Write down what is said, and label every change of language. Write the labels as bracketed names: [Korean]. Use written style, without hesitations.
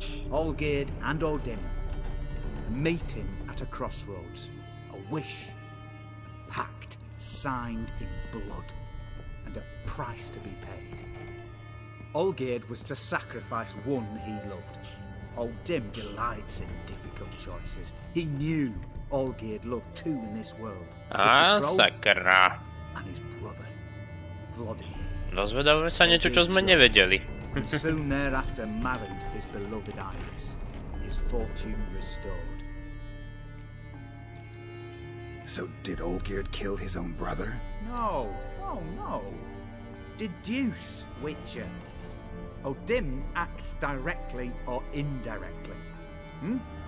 [English] Olgierd and Odin, a meeting at a crossroads, a wish, a pact signed in blood, and a price to be paid. Olgierd was to sacrifice one he loved. Odin delights in difficult choices. He knew Olgierd loved two in this world. [Slovak] Ah, sakra. [English] And his brother, Vladimir. [Slovak] Dozvedavme sa niečo, čo sme nevedeli. [English] And soon thereafter married his beloved Iris, his fortune restored. So did Olgierd kill his own brother? No, no, no. Deduce, Witcher. Odin acts directly or indirectly. Hmm?